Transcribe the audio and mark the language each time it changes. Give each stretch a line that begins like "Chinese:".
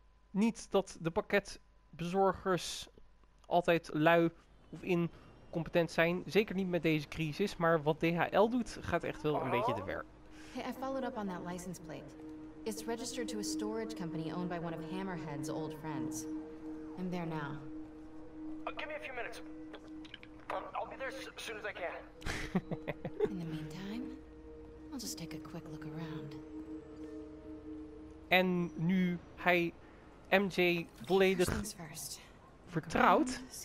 Dutch: Niet dat de pakketbezorgers altijd lui of incompetent zijn. Zeker niet met deze crisis. Maar wat DHL doet, gaat echt wel een beetje te ver.
English: Hey, I followed up on that license plate. It's registered to a storage company owned by one of Hammerhead's old friends. I'm there now. Give me a few minutes. I'll be there soon as I can. In the meantime, I'll just take a quick look around.
Dutch: En nu hij MJ volledig vertrouwd.